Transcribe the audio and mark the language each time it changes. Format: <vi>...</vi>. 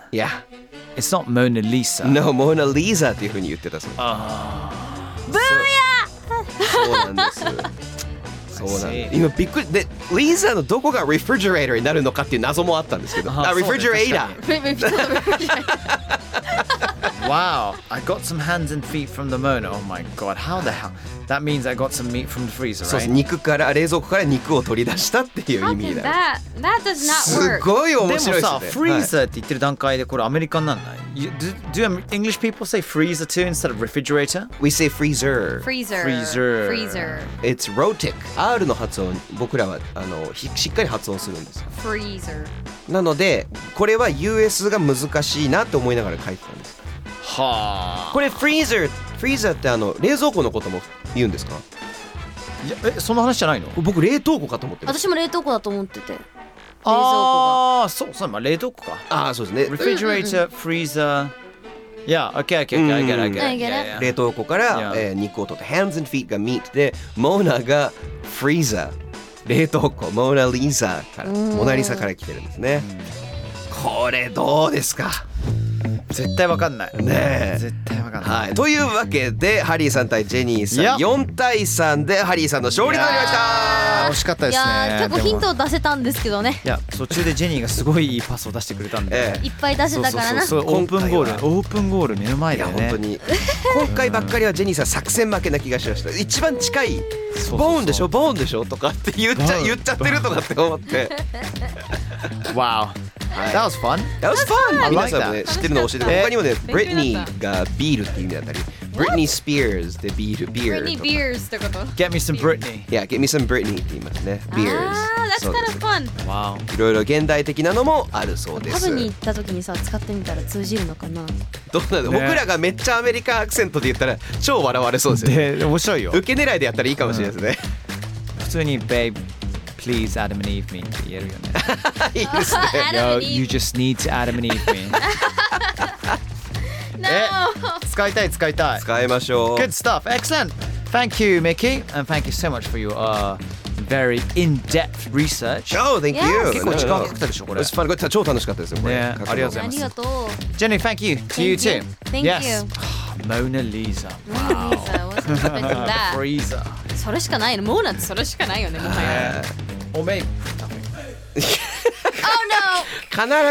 <en>ー。 Yeah. It's not モナリーサ。 No,</en> <ja>モナリーザーっていうふうに言ってたそう。ブーヤ。そうなんです。そうなんです。今びっくり、で、リーザーのどこがリフリジレーターになるのかっていう謎もあったんですけど。あ、リフリジレーター。</ja> <en>Wow, I got some hands and feet from the Mona. Oh my god, how the hell? That means I got some meat from the freezer, right?</en> <ja>そう、肉から、冷蔵庫から肉を取り出したっていう意味だ。</ja> <en>That does not work.</en> <ja>すごい面白いですね。でもさ、フリーザーって言ってる段階でこれアメリカンなんない？</ja> <en>Do English people say freezer too instead of refrigerator? We say freezer. Freezer. Freezer. Freezer. It's rotic.</en> <ja>R の発音、僕らはしっかり発音するんですよ。</ja> <en>Freezer.</en> <ja>なので、これは US が難しいなって思いながら書いてたんです。はあ、これフリーザーって冷蔵庫のことも言うんですか？いや、え、その話じゃないの？僕冷凍庫かと思ってます。私も冷凍庫だと思ってて、冷蔵庫が、あ、そう、まあ冷凍庫か、あ、そうですね、</ja> <en>レフリジレーター、フリーザー、 Yeah, OK, OK, OK, I get it, I get it、</en> <ja>冷凍庫から、肉を取って</ja> <en>Hands and feet</en> <ja>が meat で、モーナーがフリーザー、冷凍庫モナリザからモナリザから来てるんですね。これどうですか。絶対わかんないねえ。絶対わかんない、はい、というわけでハリーさん対ジェニーさん4対3でハリーさんの勝利となりました。惜しかったですね。いや結構ヒントを出せたんですけどね。いや途中でジェニーがすごいいいパスを出してくれたんで、いっぱい出せたからな。そうそうそう、オープンゴール、オープンゴール目の前でね。いや本当に今回ばっかりはジェニーさん作戦負けな気がしました。一番近いボーンでしょ、ボーンでしょとかって言っちゃってるとかって思って</ja> <en>わお。That was fun. That was fun. I like that.</en> <ja>知ってるの教えて。他にもね、Britney がビールって意味だったり、Britney Spears でビール、ビール。 Britney Beers ってこと。</ja> <en>Get me some Britney. Yeah, get me some Britney</en> <ja>って言いますね。</ja> <en>Beers。</en> <ja>ああ、</ja> <en>that's kind of fun. Wow.</en> <ja>いろいろ現代的なのもあるそうです。パブに行った時にさ、使ってみたら通じるのかな。どうなの？僕らがめっちゃアメリカアクセントで言ったら超笑われそうですよ。で、面白いよ。受け狙いでやったらいいかもしれないですね。普通に Babe。</ja> <en>Please Adam and Eve me</en> <ja>って言えるよね。いいですね。</ja> <en>Yo, you just need to Adam and Eve me. No.</en> <ja>使いたい使いたい。使いましょう。</ja> <en>Good stuff. Excellent. Thank you, Mickey, and thank you so much for your very in-depth research. Oh, thank you.</en> <ja>結構近かったでしょこれ。</ja> <en>It's fun.</en> <ja>超楽しかったですよ。</ja> <en>Yeah.</en> <ja>ありがとうございます。ありがとう。</ja> <en>Jenny, thank you. To you too. Thank you. Yes. Mona Lisa. Wow. What's that? Freezer.</en> <ja>それしかないの。モナってそれしかないよね。もはや。おめ</ja> <en>え。Oh no。</en>